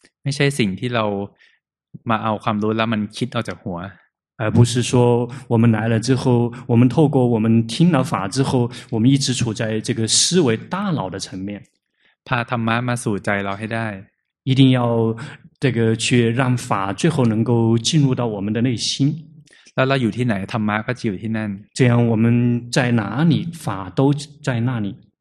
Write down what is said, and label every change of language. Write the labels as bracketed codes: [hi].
[th] ไม่ใช่สิ่งที่เรามาเอาความรู้แล้วมันคิดออกจากหัว [zh] 而不是说我们来了之后我们透过我们听了法之后我们一直处在这个思维大脑的层面。 [th] พาธรรมะมาสู่ใจเราให้ได้ [zh] 一定要这个去让法最后能够进入到我们的内心。 [th] แล้วเราอยู่ที่ไหนธรรมะก็อยู่ที่นั่น [zh] 这样我们在哪里法都在那里。